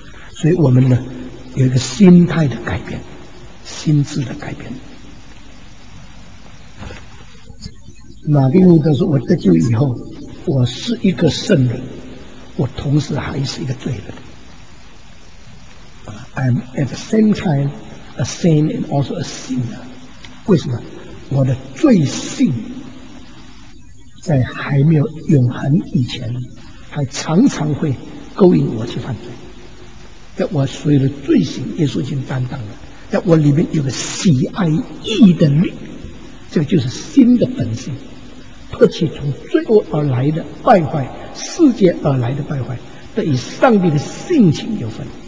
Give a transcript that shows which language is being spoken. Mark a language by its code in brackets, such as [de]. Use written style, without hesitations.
[zh] 所以我们呢有一个心态的改变，心智的改变。马丁路德说，我得救以后，我是一个圣人，我同时还是一个罪人。 [en] I'm at the same time a saint and also a sinner. [zh] 为什么？我的罪性在还没有永恒以前，还常常会勾引我去犯罪。在我所有的罪行，耶稣已经担当了。在我里面有个喜爱义的灵，这个就是心的本性，迫切从罪恶而来的败坏、世界而来的败坏，得与上帝的性情有分。